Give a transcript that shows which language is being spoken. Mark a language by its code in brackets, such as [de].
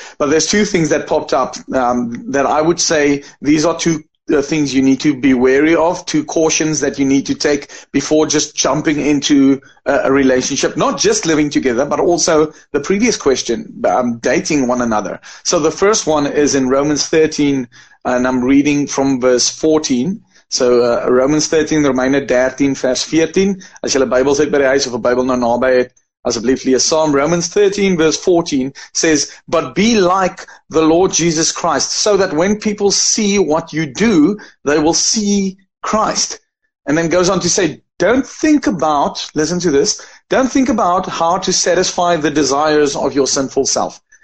[en] But there's two things that popped up that I would say these are two things you need to be wary of, two cautions that you need to take before just jumping into a relationship, not just living together, but also the previous question, dating one another. So the first one is in Romans 13, and I'm reading from verse 14. So Romans 13, Romeine 13, verse 14. [af] As jy 'n Bybel het by die huis of 'n Bybel nou naby het, asseblief lees saam. [en] Romans 13, verse 14 says, "But be like the Lord Jesus Christ, so that when people see what you do, they will see Christ." And then goes on to say, "Don't think about," listen to this, "don't think about how to satisfy the desires of your sinful self."